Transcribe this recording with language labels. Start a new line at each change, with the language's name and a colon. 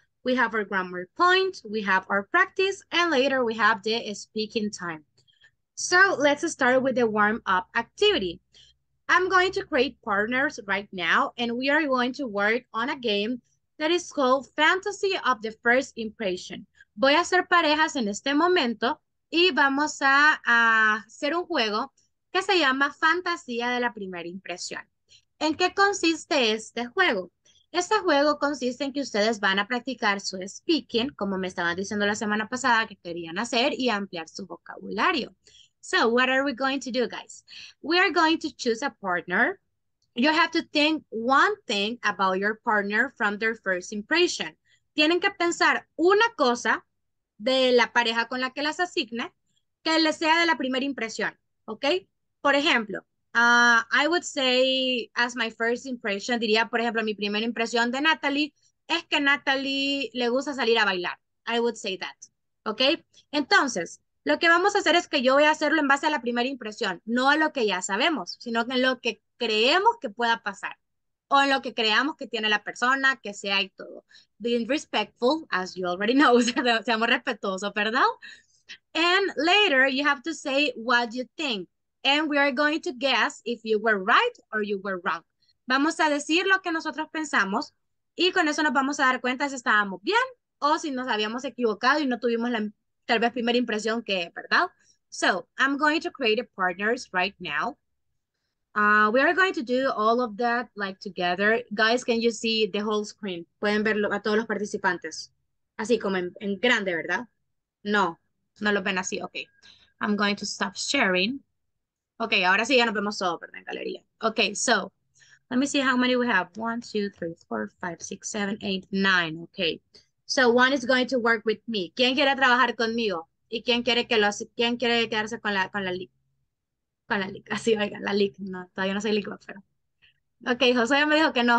English: We have our grammar point, we have our practice, and later we have the speaking time. So let's start with the warm-up activity. I'm going to create partners right now, and we are going to work on a game that is called Fantasy of the First Impression.
Spanish: Voy a hacer parejas en este momento, y vamos a hacer un juego que se llama Fantasía de la Primera Impresión. ¿En qué consiste este juego? Este juego consiste en que ustedes van a practicar su speaking, como me estaban diciendo la semana pasada que querían hacer, y ampliar su vocabulario.
English: So, what are we going to do, guys? We are going to choose a partner. You have to think one thing about your partner from their first impression.
Spanish: Tienen que pensar una cosa de la pareja con la que las asigne que les sea de la primera impresión, ¿okay? Por ejemplo,
English: I would say as my first impression,
Spanish: diría, por ejemplo, mi primera impresión de Natalie es que Natalie le gusta salir a bailar.
English: I would say that, ¿okay?
Spanish: Entonces, lo que vamos a hacer es que yo voy a hacerlo en base a la primera impresión, no a lo que ya sabemos, sino en lo que creemos que pueda pasar o en lo que creamos que tiene la persona, que sea y todo.
English: Being respectful, as you already know,
Spanish: seamos respetuosos, ¿verdad?
English: And later, you have to say what you think. And we are going to guess if you were right or you were wrong.
Spanish: Vamos a decir lo que nosotros pensamos y con eso nos vamos a dar cuenta si estábamos bien o si nos habíamos equivocado y no tuvimos la tal vez primera impresión que, ¿verdad?
English: So, I'm going to create a partners right now. We are going to do all of that like together. Guys, can you see the whole screen?
Spanish: ¿Pueden ver a todos los participantes? Así como en grande, ¿verdad? No, no lo ven así. Okay.
English: I'm going to stop sharing.
Spanish: Okay, ahora sí ya nos vemos todos, ¿verdad? En galería.
English: Okay, so, let me see how many we have. 1, 2, 3, 4, 5, 6, 7, 8, 9. Okay. So one is going to work with me.
Spanish: ¿Quién quiere trabajar conmigo? ¿Y quién quiere quedarse con la lic? Así, oigan, la lic. No, todavía no soy lic, pero. Okay, José me dijo que no.